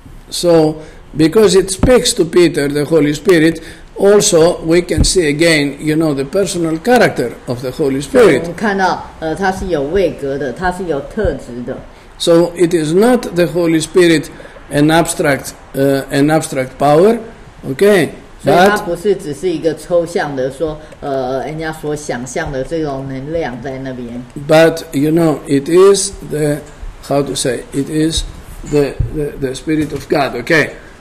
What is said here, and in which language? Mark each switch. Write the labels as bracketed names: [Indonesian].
[English] So, because it speaks to Peter, the Holy Spirit, also we can see again, you know, the personal character of the Holy Spirit. [Chinese] 我们看到，他是有位格的，他是有特质的。 [English] So it is not the Holy Spirit, an abstract power, okay? [Chinese] 所以他不是只是一个抽象的说，人家所想象的这种能量在那边。 [English] But you know, it is the How to say it is the spirit of God. Okay.